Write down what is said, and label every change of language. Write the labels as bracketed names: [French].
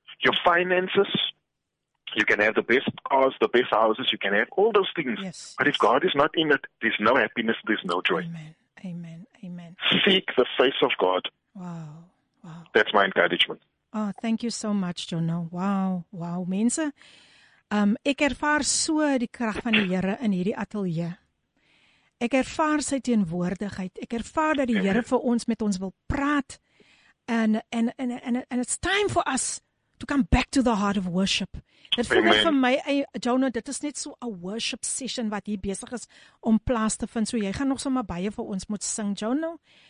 [English] Your finances, you can have the best cars, the best houses, you can have all those things. Yes, but if God is not in it, there's no happiness, there's no joy. Amen. Seek the face of God. Wow. That's my encouragement. Oh, thank you so much, Jono. Wow, mense. [Afrikaans] Ek ervaar so die krag van die Here in hierdie ateljee. Ek ervaar sy teenwoordigheid. Ek ervaar dat die Here vir ons met ons wil praat. [English] And it's time for us to come back to the heart of worship. [Afrikaans] Dit voel net vir my, Jono, dit is net so 'n [English] worship session [Afrikaans] wat hier besig is om plaas te vind. So jy gaan nog sommer baie vir ons moet sing, Jono.